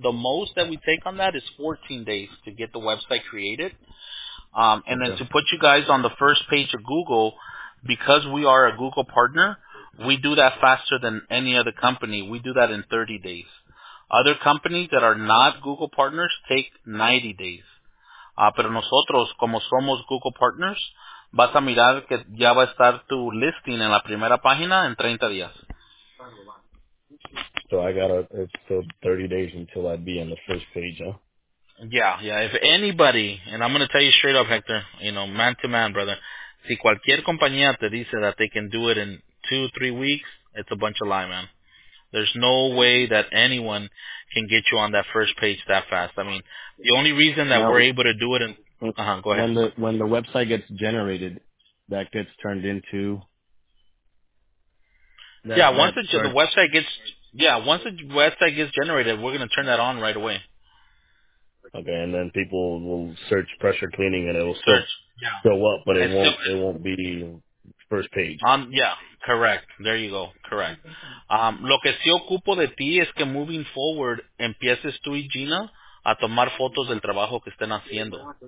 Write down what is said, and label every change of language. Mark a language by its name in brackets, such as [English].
[English] The most that we take on that is 14 days to get the website created. And then to put you guys on the first page of Google, because we are a Google partner, we do that faster than any other company. We do that in 30 days. Other companies that are not Google partners take 90 days. [Spanish] Pero nosotros, como somos Google partners, vas a mirar que ya va a estar tu listing en la primera página en 30 días. [English] So I got it's still 30 days until I'd be on the first page, huh? Yeah, yeah. If anybody, and I'm going to tell you straight up, Hector, you know, man to man, brother, [Spanish] si cualquier compañía te dice [English] that they can do it in 2-3 weeks, it's a bunch of lie, man. There's no way that anyone can get you on that first page that fast. I mean, the only reason that we're able to do it in, go ahead. When the website gets generated, that gets turned into. Once the website gets generated, we're going to turn that on right away. Okay, and then people will search pressure cleaning, and it'll show up, but it won't be first page. Correct. There you go. Correct. [Spanish] Lo que sí ocupo de ti es que [English] moving forward, [Spanish] empieces tú y Gina a tomar fotos del trabajo que estén haciendo.